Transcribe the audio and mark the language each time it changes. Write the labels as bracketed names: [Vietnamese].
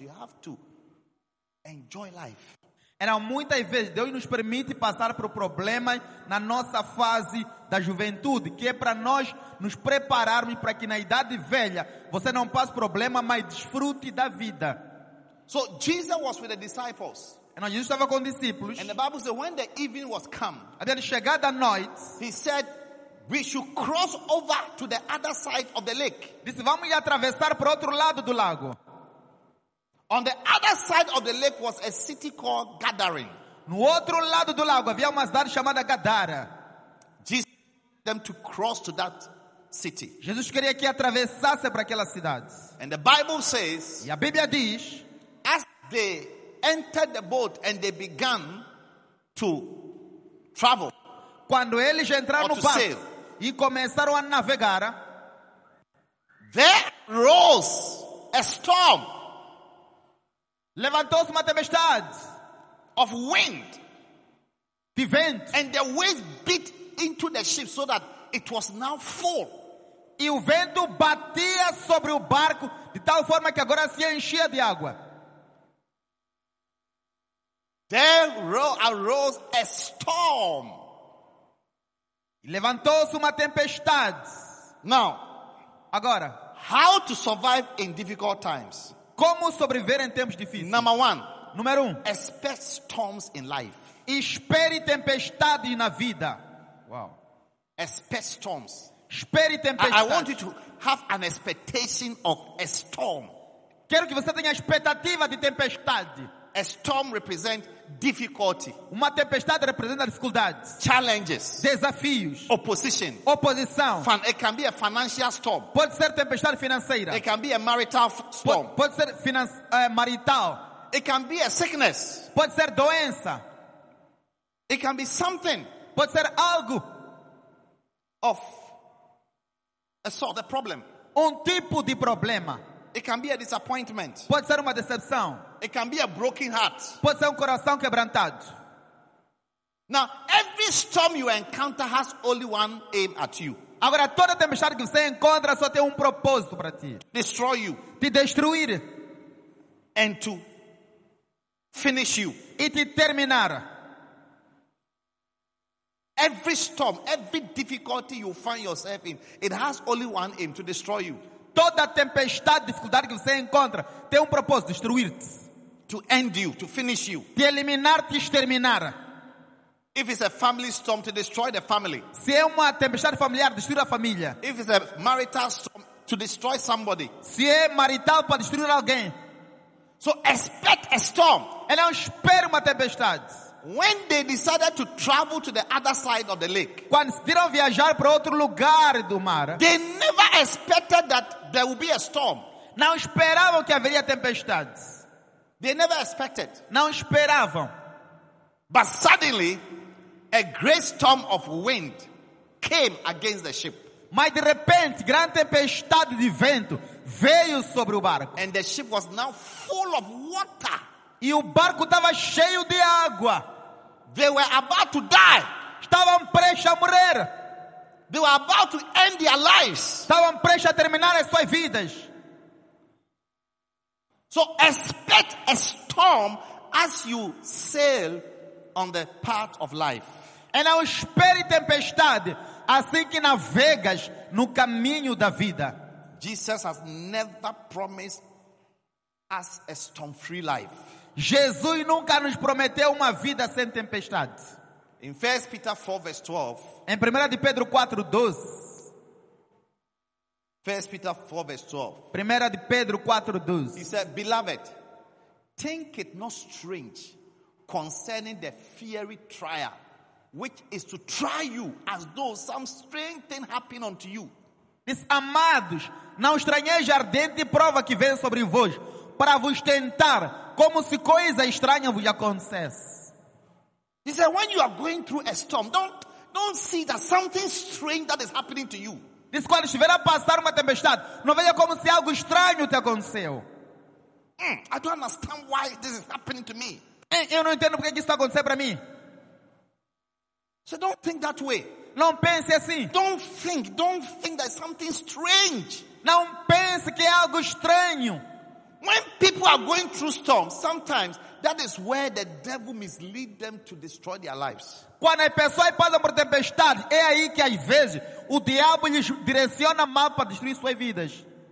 [English] You have to enjoy life. [Portuguese] E há muitas vezes Deus nos permite passar por problemas na nossa fase da juventude, que é para nós nos prepararmos para que na idade velha você não passe problema, mas desfrute da vida. [English] So Jesus was with the disciples. [Portuguese] Então Jesus estava com os discípulos. [English] And the Bible says when the evening was come, [Portuguese] até chegar da noite, [English] he said, we should cross over to the other side of the lake. [Portuguese] Disse, vamos atravessar para outro lado do lago. [English] On the other side of the lake was a city called Gadarin. [Portuguese] No outro lado do lago havia uma cidade chamada Gadara. [English] Jesus wanted them to cross to that city. [Portuguese] Jesus queria que atravessasse para aquela cidade. [English] And the Bible says, [Portuguese] e a Bíblia diz, [English] as they entered the boat and they began to travel, [Portuguese] quando eles entraram no barco e começaram a navegar, [English] there rose a storm. [Portuguese] Levantou-se uma tempestade [English] of wind, [Portuguese] de vento, [English] and the waves beat into the ship so that it was now full. [Portuguese] E o vento batia sobre o barco de tal forma que agora se enchia de água. [English] There arose a storm. [Portuguese] Levantou-se uma tempestade. [English] Now, [Portuguese] agora, [English] how to survive in difficult times? [Portuguese] Como sobreviver em tempos difíceis? [English] Number one, [Portuguese] número um, [English] expect storms in life. [Portuguese] Espere tempestades na vida. [English] Wow. Expect storms. [Portuguese] Espere tempestades. [English] I want you to have an expectation of a storm. [Portuguese] Quero que você tenha expectativa de tempestade. [English] A storm represents difficulty. [Portuguese] Uma tempestade representa dificuldades. [English] Challenges. [Portuguese] Desafios. [English] Opposition. [Portuguese] Oposição. [English] It can be a financial storm. [Portuguese] Pode ser tempestade financeira. [English] It can be a marital storm. [Portuguese] Pode ser marital. [English] It can be a sickness. [Portuguese] Pode ser doença. [English] It can be something. [Portuguese] Pode ser algo. [English] Of a sort of problem. [Portuguese] Tipo de problema. [English] It can be a disappointment. [Portuguese] Pode ser uma decepção. [English] It can be a broken heart. [Portuguese] Pode ser coração quebrantado. [English] Now, every storm you encounter has only one aim at you. [Portuguese] Agora, toda tempestade que você encontra só tem propósito para ti. [English] Destroy you. [Portuguese] Te destruir. [English] And to finish you. [Portuguese] E te terminar. [English] Every storm, every difficulty you find yourself in, it has only one aim, to destroy you. [Portuguese] Toda tempestade, dificuldade que você encontra tem propósito, destruir-te. [English] To end you, to finish you. [Portuguese] Te eliminar, te exterminar. [English] If it's a family storm, to destroy the family. [Portuguese] Se é uma tempestade familiar, destruir a família. [English] If it's a marital storm, to destroy somebody. [Portuguese] Se é marital, para destruir alguém. [English] So expect a storm. [Portuguese] Então espere uma tempestade. [English] When they decided to travel to the other side of the lake, [Portuguese] quando decidiram viajar para outro lugar do mar, [English] they never expected that there would be a storm. [Portuguese] Não esperavam que haveria tempestades. [English] They never expected. [Portuguese] Não esperavam. [English] But suddenly, a great storm of wind came against the ship. [Portuguese] Mas de repente, grande tempestade de vento veio sobre o barco. [English] And the ship was now full of water. [Portuguese] E o barco estava cheio de água. [English] They were about to die. [Portuguese] Estavam prestes a morrer. [English] They were about to end their lives. [Portuguese] Estavam prestes a terminar as suas vidas. [English] So expect a storm as you sail on the path of life. And I [Portuguese] espere tempestade assim que navegas no caminho da vida. [English] Jesus has never promised us a storm-free life. [Portuguese] Jesus nunca nos prometeu uma vida sem tempestades. [English] In 1 Peter 4 verse 12. [Portuguese] Em 1 de Pedro 4, 12. [English] 1 Peter 4 verse 12. [Portuguese] Primeira de Pedro 4, 12. [English] He said, beloved, think it not strange concerning the fiery trial, which is to try you as though some strange thing happened unto you. [Portuguese] Diz, amados, não estranheis a ardente prova que vem sobre vós, para vos tentar, como se coisa estranha vos acontecesse. [English] He said, when you are going through a storm, don't see that something strange that is happening to you. [Portuguese] Diz, quando estiver a passar uma tempestade, não veja como se algo estranho te aconteceu. [English] I don't understand why this is happening to me. [Portuguese] Eu não entendo porque isso está acontecendo para mim. [English] So don't think that way. [Portuguese] Não pense assim. [English] Don't think that something strange. [Portuguese] Não pense que é algo estranho. [English] When people are going through storms, sometimes that is where the devil misleads them to destroy their lives. [Portuguese] Quando as pessoas passam por tempestade, é aí que às vezes o diabo lhes direciona mal para destruir suas vidas.